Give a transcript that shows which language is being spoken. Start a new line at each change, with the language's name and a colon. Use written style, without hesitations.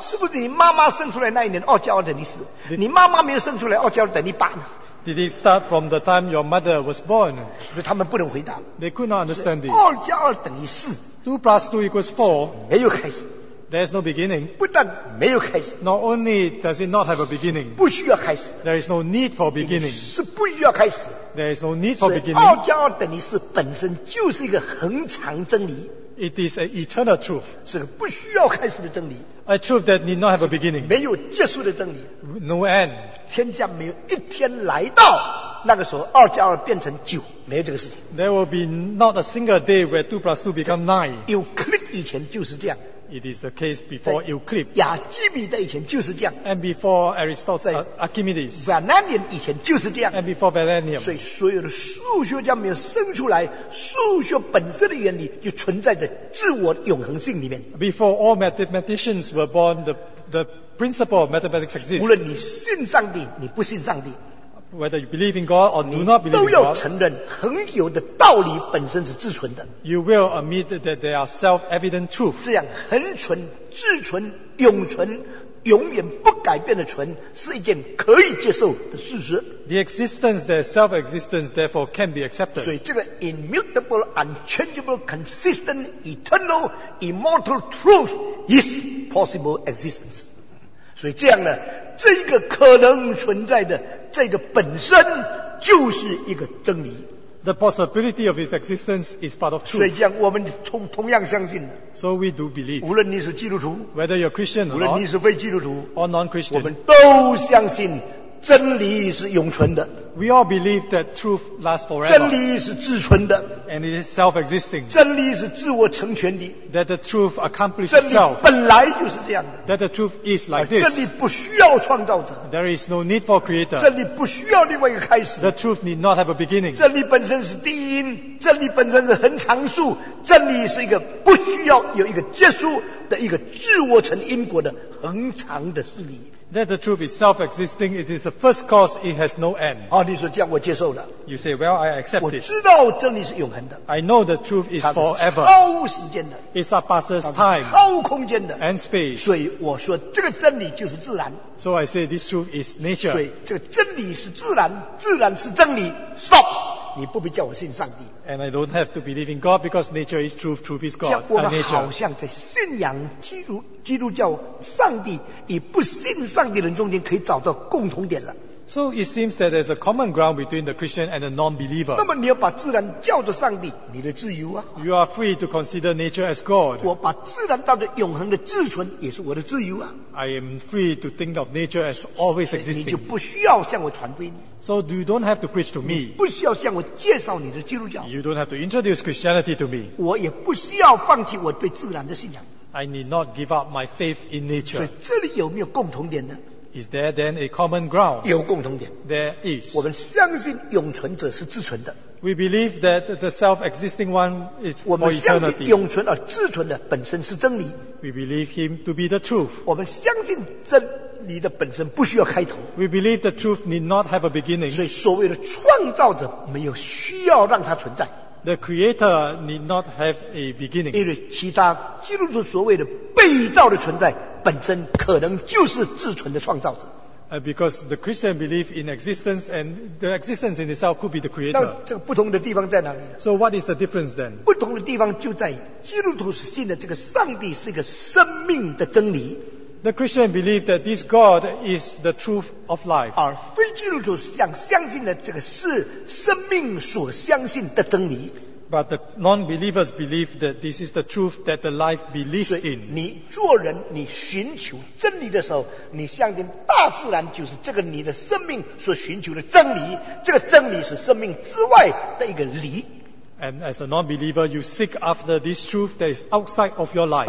Chinese: 是不是你妈妈生出来那一年2加2等于4？ 你妈妈没有生出来2加2等于8呢？
English: Did it start from the time your mother was born?
Chinese: 所以他们不能回答。
English: They could not understand it.
Chinese: 二加二等于四。
English: Two plus two equals four.
Chinese: 没有开始。
English: There is no beginning.
Chinese: 不但没有开始。
English: Not only does it not have a beginning.
Chinese: 不需要开始。
English: There is no need for beginning.
Chinese: 是不需要开始。
English: There is no need for beginning.
Chinese: 所以二加二等于四本身就是一个恒长真理。
English: It is an eternal truth.
Chinese: 是个不需要开始的真理。
English: A truth that need not have a beginning.
Chinese: 没有结束的真理。
English: No end.
Chinese: 天下没有一天来到那个时候二加二变成九，没有这个事情。
English: There will be not a single day where two plus two become nine.
Chinese: Euclid 以前就是这样。
English: It is the case before Euclid.
Chinese: 亚基米德以前就是这样。
English: And before Aristotle, Archimedes.
Chinese: Valerian 以前就是这样。
English: And before Valerian.
Chinese: 所以所有的数学家没有生出来，数学本身的原理就存在着自我永恒性里面。
English: Before all mathematicians were born, the principle of mathematics exists.
Chinese: 无论你信上帝，你不信上帝。
English: Whether you believe in God or do not believe in God,
Chinese: 都要承认恒有的道理本身是自存的。
English: You will admit that they are self-evident truth.
Chinese: 这样恒存、自存、永存、永远不改变的存，是一件可以接受的事实。
English: The existence, their self-existence, therefore can be accepted.
Chinese: 所以这个
English: immutable, unchangeable, consistent, eternal, immortal truth is possible existence.
Chinese: 所以这样呢，这个可能存在的这个本身就是一个真理。
English: The possibility of his existence is part of truth.
Chinese: 所以这样我们同样相信。
English: So we do believe.
Chinese: 无论你是基督徒，
English: whether you're Christian or not,
Chinese: 无论你是非基督徒，
English: or non-Christian,
Chinese: 我们都相信真理是永存的。
English: We all believe that truth lasts forever.
Chinese: 真理是自存的。
English: And it is self-existing.
Chinese: 真理是自我成全的。
English: That the truth accomplishes itself.
Chinese: 真理本来就是这样的。
English: That the truth is like this.
Chinese: 真理不需要创造者。
English: There is no need for creator.
Chinese: 真理不需要另外一个开始。
English: The truth need not have a beginning.
Chinese: 真理本身是第一因，真理本身是恒常数，真理是一个不需要有一个结束的一个自我成因果的恒常的事理。
English: That the truth is self-existing, it is the first cause, it has no end.
Chinese: 好，你说这样我接受了。
English: You say, well, I accept it.
Chinese: 我知道真理是永恒的。
English: I know the truth is forever.
Chinese: 它是超时间的。
English: It surpasses time.
Chinese: 超空间的。
English: And space.
Chinese: 所以我说这个真理就是自然。
English: So I say this truth is nature.
Chinese: 所以这个真理是自然，自然是真理。
English: Stop!
Chinese: 你不必叫我信上帝。
English: And I don't have to believe in God because nature is truth, truth is God.
Chinese: 我们好像在信仰基督教上帝，以不信上帝人中间可以找到共同点了。
English: So it seems that there's a common ground between the Christian and the non-believer.
Chinese: 那么你要把自然叫做上帝，你的自由啊。
English: You are free to consider nature as God.
Chinese: 我把自然当作永恒的自存，也是我的自由啊。
English: I am free to think of nature as always existing.
Chinese: 你就不需要向我传福音。
English: So you don't have to preach to me.
Chinese: 不需要向我介绍你的基督教。
English: You don't have to introduce Christianity to me.
Chinese: 我也不需要放弃我对自然的信仰。
English: I need not give up my faith in nature.
Chinese: 所以这里有没有共同点呢？
English: Is there then a common ground?
Chinese: 有共同点。
English: There is.
Chinese: 我们相信永存者是自存的。
English: We believe that the self-existing one is for eternity.
Chinese: 我们相信永存而自存的本身是真理。
English: We believe him to be the truth.
Chinese: 我们相信真理的本身不需要开头。
English: We believe the truth need not have a beginning.
Chinese: 所以所谓的创造者没有需要让它存在。
English: The creator need not have a beginning.
Chinese: 因为其他基督徒所谓的被造的存在本身可能就是自存的创造者。
English: Because the Christian believe in existence and the existence in itself could be the creator.
Chinese: 那这个不同的地方在哪里？
English: So what is the difference then?
Chinese: 不同的地方就在基督徒信的这个上帝是一个生命的真理。
English: The Christian believe that this God is the truth of life.
Chinese: 而非基督徒相信的这个是生命所相信的真理。
English: But the non-believers believe that this is the truth that the life believes in.
Chinese: 你做人，你寻求真理的时候，你相信大自然就是这个你的生命所寻求的真理。这个真理是生命之外的一个理。
English: And as a non-believer, you seek after this truth that is outside of your life.